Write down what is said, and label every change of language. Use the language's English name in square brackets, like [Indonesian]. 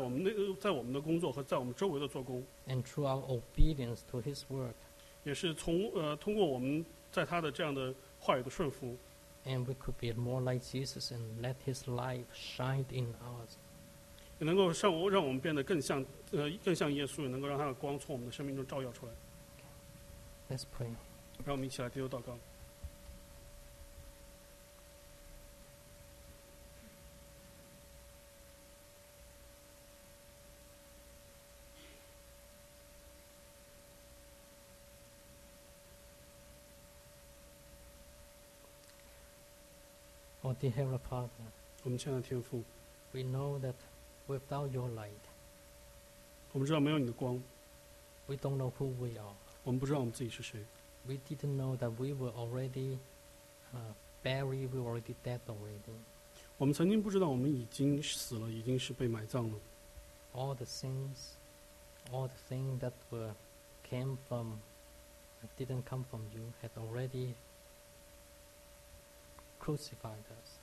[Chinese] 也通过他在我们的工作和在我们周围的做工。 [English] And through our obedience to his work. [Chinese] 也是通过我们在他的这样的话语的顺服。 [English] And we could be more like Jesus and let his life shine in us. [Chinese] 也能够让我们变得更像耶稣，也能够让他的光从我们的生命中照耀出来。 [English] Let's pray. [Chinese] 让我们一起来低头祷告。 [English] Oh, dear Heavenly Father, [Chinese] 我们亲爱的天父, [English] we know that without your light, [Chinese] 我们知道没有你的光, [English] we don't know who we are. [Chinese] 我们不知道我们自己是谁, [English] we didn't know that we were already buried, we were already dead already. [Chinese] 我们曾经不知道我们已经死了，已经是被埋葬了。 [English] All the things that didn't come from you had already crucified us.